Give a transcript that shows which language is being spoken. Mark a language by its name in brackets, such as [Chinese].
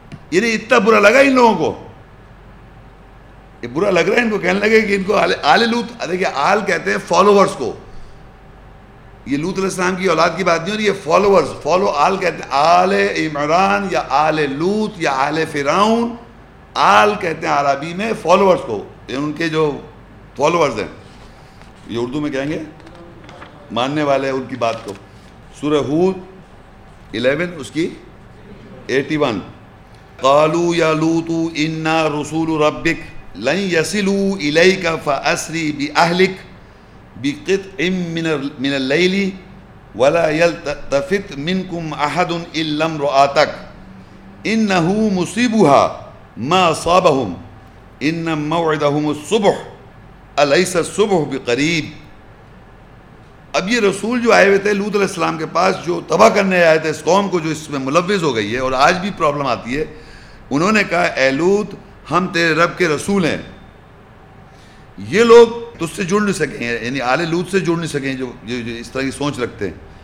[Urdu] یعنی اتنا برا لگا ان لوگوں کو, یہ برا لگ رہا ہے ان کو, کہنے لگے کہ ان کو آل لوط, دیکھیے آل کہتے ہیں فالوورس کو, یہ لوط علیہ السلام کی اولاد کی بات نہیں ہو رہی, یہ فالوورس, فالو آل کہتے ہیں آل عمران یا آل لوط یا آل فرعون, آل کہتے ہیں عربی میں فالوورس کو, یہ ان کے جو فالوورس ہیں, یہ اردو میں کہیں گے ماننے والے ان کی بات کو. سورہ ہود 11 اس کی 81, [Arabic] قالوا يا لوط انا رسول ربك لن يصلوا اليك فاسري باهلك بقطع من الليل ولا يلتفت منكم احد الا امراتك انه مصيبها ما اصابهم ان موعدهم الصبح اليس الصبح بقريب. [Urdu] اب یہ رسول جو آئے ہوئے تھے لوط علیہ السلام کے پاس, جو تباہ کرنے آئے تھے اس قوم کو جو اس میں ملوث ہو گئی ہے اور آج بھی پرابلم آتی ہے, انہوں نے کہا اے لوط ہم تیرے رب کے رسول ہیں, یہ لوگ تجھ سے جڑ نہیں سکیں, یعنی آل لوط سے جڑ نہیں سکیں جو اس طرح کی سوچ رکھتے ہیں.